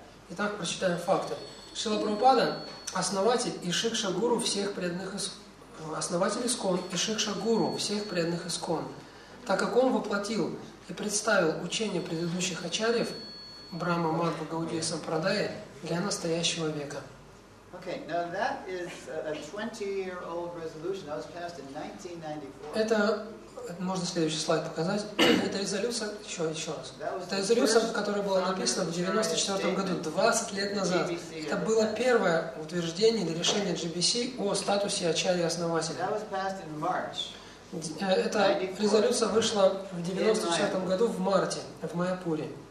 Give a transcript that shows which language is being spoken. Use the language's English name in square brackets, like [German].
[Russian] Итак, прочитаем факты. Шрила Прабхупада — основатель и шикша-гуру всех преданных ИСКОН. Основатель ИСКОН и шикша-гуру всех преданных ИСКОН. так как он воплотил и представил учение предыдущих ачарьев Брама, Мадва, Гаудия и Сампрадая для настоящего века. [English] Okay, now that is a 20-year-old resolution that was passed in 1994. [Russian] Это можно следующий слайд показать. Это резолюция еще раз. Это резолюция, которая была написана в 1994 году, 20 лет назад. Это было первое утверждение или решение GBC о статусе ачарьи-основателя. [English] That was passed in March. [Russian] Эта резолюция вышла в 1994 году в марте в Майяпуре.